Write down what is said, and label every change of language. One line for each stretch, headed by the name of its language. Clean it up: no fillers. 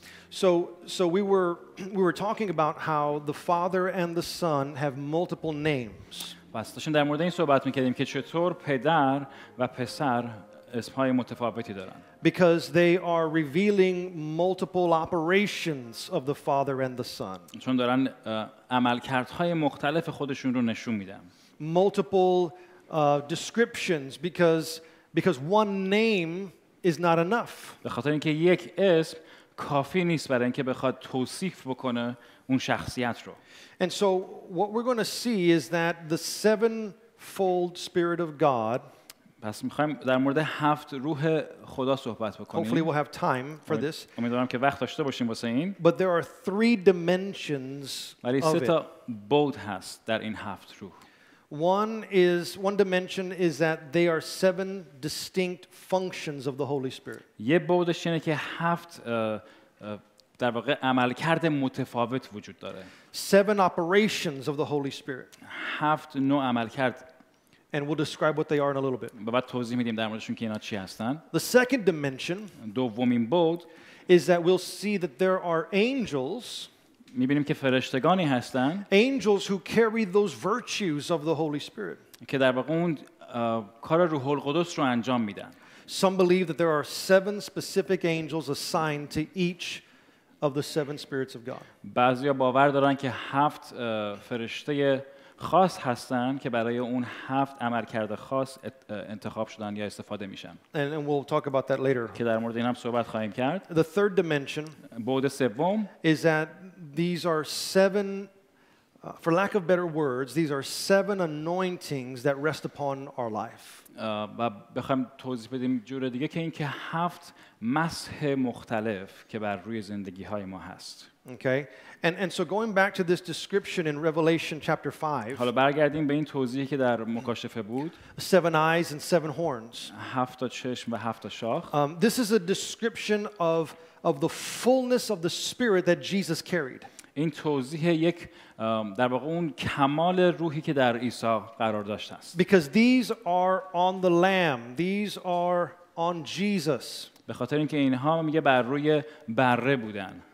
English: So we were talking about how the Father and the Son have multiple names.
Persian: Pastor, در مورد این صحبت می‌کردیم که چطور پدر و پسر اسم‌های متفاوتی دارن.
English: Because they are revealing multiple operations of the Father and the Son.
Persian: چون دارن عملکردهای مختلف خودشون رو نشون میدن.
English: Multiple descriptions because one name is not enough.
Persian: به خاطر اینکه یک اسم کافی نیست برای اینکه بخواد توصیف بکنه اون شخصیت رو.
English: And so what we're going to see is that the sevenfold Spirit of God.
Persian: پس می‌خوایم در مورد هفت روح خدا صحبت بکنیم.
English: Hopefully we'll have time for this.
Persian: امیدوارم که وقت داشته باشیم واسه این.
English: But there are three dimensions of it.
Persian: سه تا بُعد هست در این هفت روح.
English: One dimension is that they are seven distinct functions of the Holy Spirit.
Persian: یه بُعدش اینه که هفت در واقع عملکرد متفاوت وجود داره.
English: Seven operations of the Holy Spirit.
Persian: هفت نوع عملکرد.
English: And we'll describe what they are in a little bit.
Persian: بعد توضیح میدیم در موردشون که اینا چی هستن.
English: The second dimension.
Persian: دومین بُعد.
English: Is that we'll see that there are angels.
Persian: می‌بینیم که فرشتگانی هستن.
English: Angels who carry those virtues of the Holy Spirit.
Persian: که در واقع اون کار روح القدس رو انجام میدن.
English: Some believe that there are seven specific angels assigned to each of the seven spirits of God.
Persian: بعضیا باور دارن که هفت فرشته خاص هستن که برای اون هفت عملکرد خاص انتخاب شدن یا استفاده میشن.
English: And we'll talk about that later.
Persian: که در مورد این هم صحبت خواهیم کرد.
English: The third dimension.
Persian: بُعد سوم.
English: Is that these are seven, for lack of better words, these are seven anointings that rest upon our life.
Persian: و بخوایم توضیح بدیم جور دیگه که این که هفت مسح مختلف که بر روی زندگی های ما هست.
English: Okay. And so going back to this description in Revelation chapter 5.
Persian: حالا برگردیم به این توضیحی که در مکاشفه بود.
English: Seven eyes and seven horns.
Persian: هفت تا چشم و هفت تا شاخ.
English: This is a description of the fullness of the spirit that Jesus carried.
Persian: این توضیح یک در واقع اون کمال روحی که در عیسی قرار داشته است.
English: Because these are on the lamb. These are on Jesus.
Persian: به خاطر اینکه اینها میگه بر روی بره بودن.